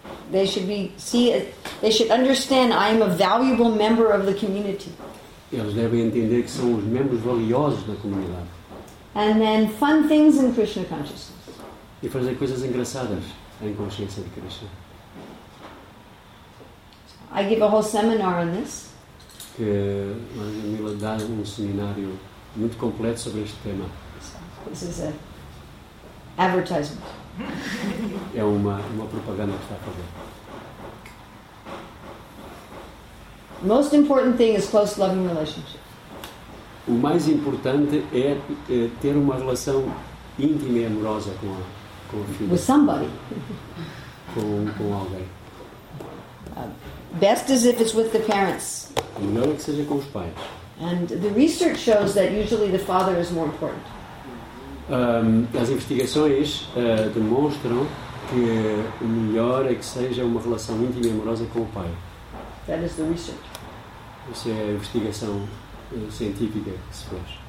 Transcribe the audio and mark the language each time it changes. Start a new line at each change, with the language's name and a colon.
English: They should understand I am a valuable member of the community.
Portuguese: Eles devem entender que são os membros valiosos da comunidade.
English: And then fun things in Krishna consciousness.
Portuguese: E fazer coisas engraçadas em consciência de Krishna.
English: I give a whole seminar on this.
Portuguese: Que Mila dá seminário muito completo sobre este tema.
English: This is an advertisement.
Portuguese: É uma propaganda que está a fazer.
English: Most important thing is close loving relationship.
Portuguese: O mais importante é ter uma relação íntima e amorosa com a filha.
English: With somebody.
Portuguese: Com alguém.
English: Best is if it's with the parents.
Portuguese: O melhor é que seja com os pais.
English: And the research shows that usually the father is more important.
Portuguese: As investigações demonstram que o melhor é que seja uma relação íntima e amorosa com o pai.
English: That is the research.
Portuguese: Isso é a investigação científica que se faz.